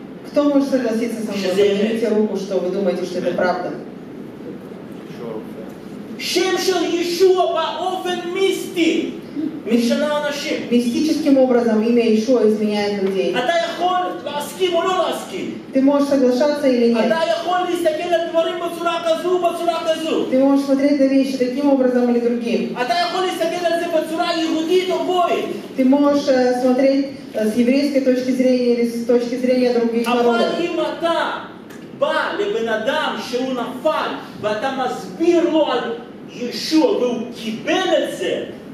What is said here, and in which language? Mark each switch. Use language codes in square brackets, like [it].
[ru] Кто может согласиться со мной? Поднимите руку, что вы думаете, что это правда. [he] שם של ישוע באופן מיסטי משנה אנשים. [ru] Мистическим образом имя Иешуа изменяет людей. [he] אתה יכול להסכים או לא להסכים? [ru] Ты можешь соглашаться или нет? [he] אתה יכול להסתכל על דברים בצורה כזו או בצורה כזו? [ru] Ты можешь смотреть на вещи таким образом или другим? [he] אתה יכול להסתכל על זה בצורה כזו? בצורה יהודית או גויית. [ru] Ты можешь смотреть с еврейской точки зрения или с точки зрения других народов. [he] אבל אם אתה בא לבן אדם שהוא נפל ואתה מסביר לו על ישוע והוא קיבל את זה,